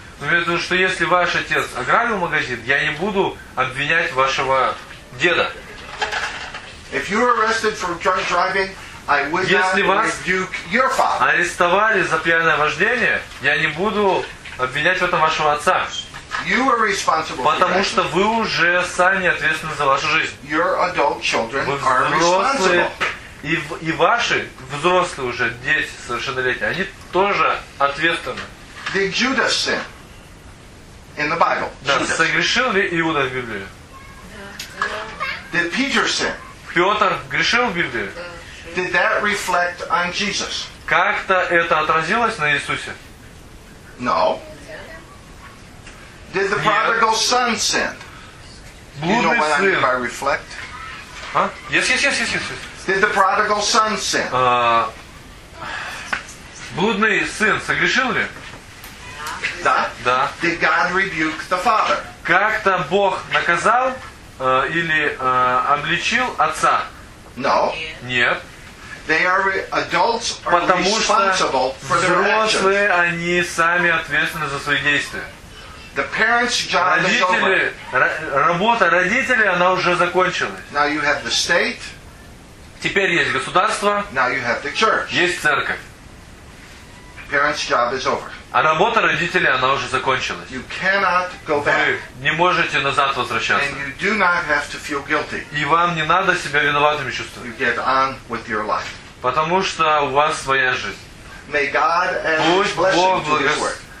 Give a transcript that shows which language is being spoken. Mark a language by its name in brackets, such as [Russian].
[Russian] Но я думаю, что если ваш отец ограбил магазин, я не буду обвинять вашего деда. [English] If you were arrested for drunk driving, I would not [Russian] если вас [English] rebuke your father. [Russian] Арестовали за пьяное вождение, я не буду обвинять в этом вашего отца. [English] You are responsible [Russian] потому что вы уже сами ответственны за вашу жизнь. [English] Your adult children [Russian] вы взрослые, [English] are [Russian] и ваши взрослые уже, дети совершеннолетние, они тоже ответственны. [English] Did Judas sin in the Bible? [Russian] Да, [English] Judas. [Russian] Согрешил ли Иуда в Библии? [English] Did Peter sin? [Russian] Петр грешил в Библии? [English] Did that reflect on Jesus? [Russian] Как-то это отразилось на Иисусе? [English] No. Did the prodigal son sin? [Russian] блудный сын. [English] You know what I reflect? Yes. Did the prodigal son sin? Блудный сын согрешил ли? [Russian] Да. Да. [English] Did God rebuke the father? [Russian] Как-то Бог наказал или обличил отца? [English] No. [Russian] Нет. [English] They are adults are responsible for their actions. [Russian] Потому что взрослые, они сами ответственны за свои действия. [English] The parents' job [Russian] родители, [English] is over. [Russian] Работа родителей, она уже закончилась. [English] Now you have the state. [Russian] Теперь есть государство. [English] Now you have the church. [Russian] Есть церковь. [English] Parents' job is over. [Russian] А работа родителей, она уже закончилась. [English] You cannot go back. [Russian] Вы не можете назад возвращаться. [English] And you do not have to feel guilty. [Russian] И вам не надо себя виноватыми чувствовать. [English] You get on with your life. [Russian] Потому что у вас своя жизнь. [English] May God add his blessing to this work.